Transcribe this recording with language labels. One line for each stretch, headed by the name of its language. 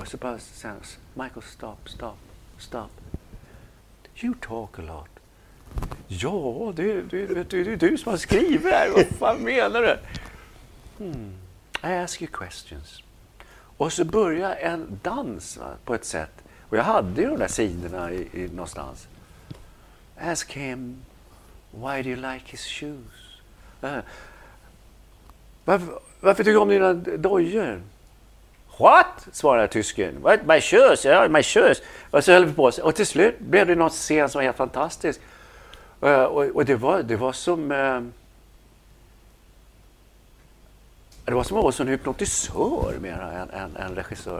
Swedish: Så bara sen,
English: Michael, stop. You talk a lot.
Swedish: Ja, det är du som har skrivit här. Vad fan menar du?
English: I ask you questions.
Swedish: Och så börjar en dans, va, på ett sätt. Och jag hade ju de där sidorna i någonstans.
English: Ask him, why do you like his shoes?
Swedish: Varför tycker du om dina dojor?
English: What?
Swedish: Svarade tysken.
English: What? My shoes, yeah, my shoes.
Swedish: Och så höll vi på. Och till slut blev det något scen som var helt fantastiskt. Och det var som att vara som en hypnotisör mer än en regissör.